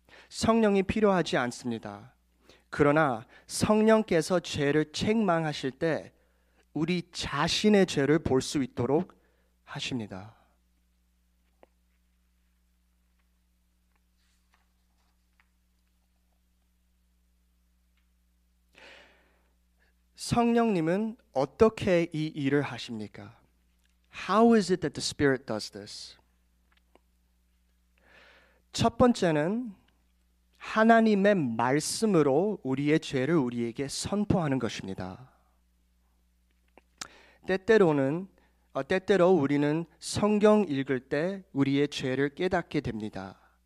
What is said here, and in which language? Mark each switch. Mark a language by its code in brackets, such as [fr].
[ko] 성령이 필요하지 않습니다. 그러나 성령께서 죄를 책망하실 때 우리 자신의 죄를 볼 수 있도록 하십니다. 성령님은 어떻게 이 일을 하십니까? [en] How is it that the Spirit does this? [ko] 첫 번째는 하나님의 말씀으로 우리의 죄를 우리에게 선포하는 것입니다. 때때로 우리는 성경 읽을 때 우리의 죄를 깨닫게 됩니다.